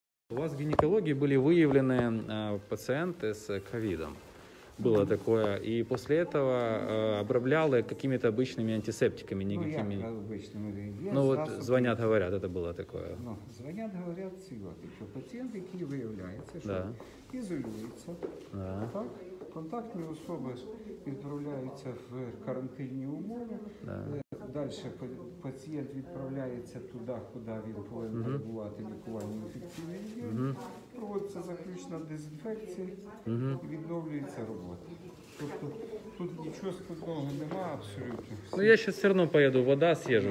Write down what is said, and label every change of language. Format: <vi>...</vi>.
<uk>У вас в гінекології були виявлені пацієнти з ковідом.</uk> <ru>Было такое. И после этого обрабляли какими-то обычными антисептиками, никакими. Ну, обычными. Ну вот способ... звонят, говорят, это было такое. Ну, звонят, говорят, что пациент, который выявляется, что изолируется. Да. Так, контактные особи отправляются в карантинные условия. Да. Дальше</ru> <uk>пацієнт відправляється туди, куди він повинен перебувати лікування інфекційної дії. Проводиться заключна дезінфекція, відновлюється робота. Тобто тут нічого складного немає абсолютно. Все. Ну я ще все одно поїду, вода з'їжу.</uk>